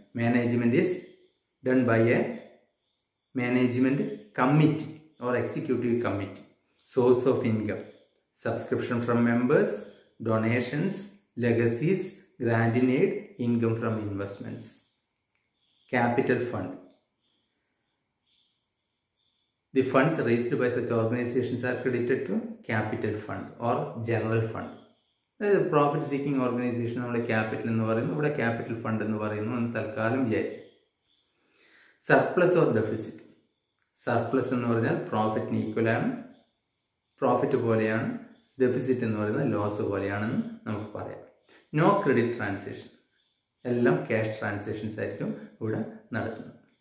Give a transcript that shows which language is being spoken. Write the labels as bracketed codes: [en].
[en] Management is done by a management committee or executive committee. Source of income, subscription from members, donations, legacies, grant in aid, income from investments. Capital fund. The funds raised by such organizations are credited to capital fund or general fund. [ml] അതായത് profit seeking organisation നമ്മുടെ capital എന്ന് പറയുന്നു, ഇവിടെ capital fund എന്ന് പറയുന്നു എന്ന് തൽക്കാലം വിചാരിക്കും. [en] Surplus or deficit. [ml] സർപ്ലസ് എന്ന് പറഞ്ഞാൽ പ്രോഫിറ്റിന് ഈക്വലാണ്, പ്രോഫിറ്റ് പോലെയാണ്. ഡെഫിസിറ്റ് എന്ന് പറയുന്നത് ലോസ് പോലെയാണെന്ന് നമുക്ക് പറയാം. [en] no credit transaction, [ml] എല്ലാം ക്യാഷ് ട്രാൻസാക്ഷൻസ് ആയിരിക്കും ഇവിടെ നടത്തുന്നത്.